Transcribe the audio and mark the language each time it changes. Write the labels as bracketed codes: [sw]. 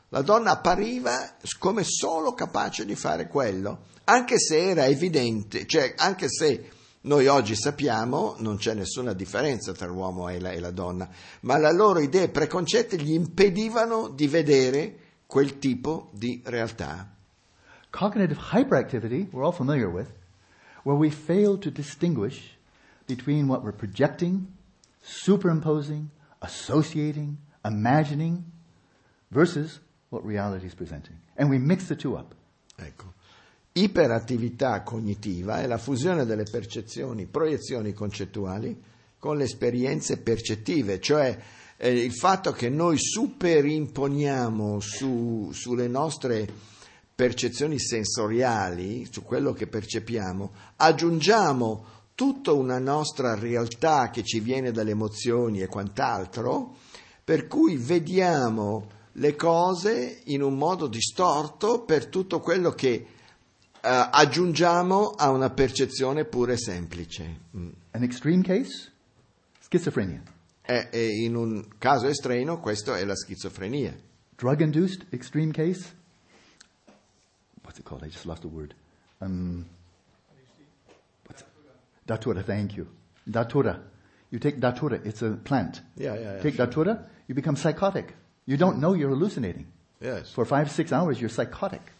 [it] La donna appariva come solo capace di fare quello, anche se era evidente, cioè anche se noi oggi sappiamo, non c'è nessuna differenza tra l'uomo e la donna, ma le loro idee preconcette gli impedivano di vedere quel tipo di realtà. [en] Cognitive hyperactivity, we're all familiar with, where we fail to distinguish between what we're projecting, superimposing, associating, imagining, versus what reality is presenting. And we mix the two up. [it] Ecco. Iperattività cognitiva è la fusione delle percezioni, proiezioni concettuali con le esperienze percettive, cioè il fatto che noi superimponiamo sulle nostre percezioni sensoriali, su quello che percepiamo, aggiungiamo tutta una nostra realtà che ci viene dalle emozioni e quant'altro, per cui vediamo le cose in un modo distorto per tutto quello che aggiungiamo a una percezione pura e semplice. [en] An extreme case? Schizophrenia. [it] E in un caso estremo, questo è la schizofrenia. [en] Drug-induced extreme case? What's it called? I just lost the word. Datura, thank you. Datura. You take datura, it's a plant. Yeah. Take sure. Datura, you become psychotic. You don't know you're hallucinating. Yes. For 5-6 hours, you're psychotic.